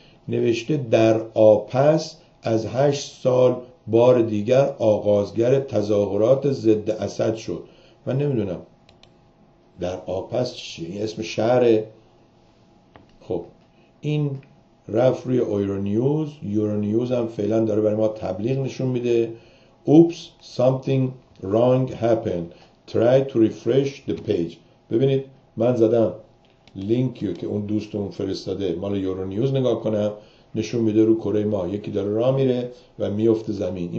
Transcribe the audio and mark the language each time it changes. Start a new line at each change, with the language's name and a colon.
Persian: نوشته در آپس از 8 سال بار دیگر آغازگر تظاهرات ضد اسد شد. من نمیدونم در آپس چی، این اسم شهر. خب این رفت روی ایرونیوز، ایرونیوز هم فعلا داره برای ما تبلیغ نشون میده.
English: Oops something wrong happened try to refresh the page.
Persian: ببینید من زدم لینکیو که اون دوستمون فرستاده مال ایرونیوز نگاه کنم، نشون میده رو کره ماه یکی داره راه میره و میفته زمین.